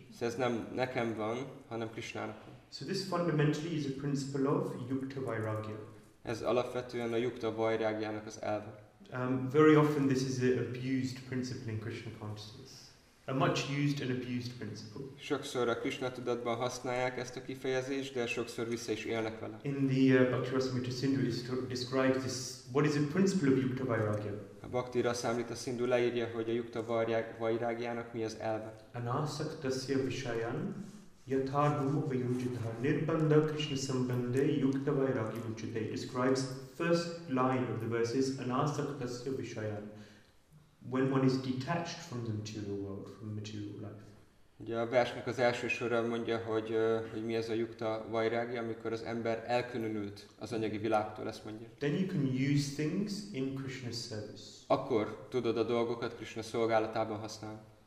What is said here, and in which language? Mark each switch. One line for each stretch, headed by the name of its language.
Hungarian: Szóval ez nem nekem van, hanem Krishnának.
English: So this fundamentally is a principle of yukta vairagya.
Hungarian: Ez alapvetően a yukta vairagyának az elve.
English: Very often this is an abused principle in Krishna consciousness. A much used and abused principle.
Hungarian: Sokszor a Krishna tudatban használják ezt a kifejezést, de sokszor vissza is élnek vele.
English: In the Bhakti Rasamrita Sindhu describes this, what is the principle of yukta vairagya?
Hungarian: A Bhakti Rasamrita Sindhu leírja, hogy a yukta vairagyának mi az elve.
Sanskrit: Anasaktasya visayan yathārdhumu vayujitha nirbandha krishna sambandhe yukta vairagya uchite.
English: It describes first line of the verses,
Sanskrit: anāsaktasya viṣayān.
English: When one is detached from the material world, from material life.
Hungarian: Ugye a versnek az első sora mondja, hogy mi ez a yukta vairagya, amikor az ember elkülönült az anyagi világtól, ezt mondja.
English: Then you can use things in Krishna's service.
Hungarian: Akkor tudod a dolgokat Krishna szolgálatában használni.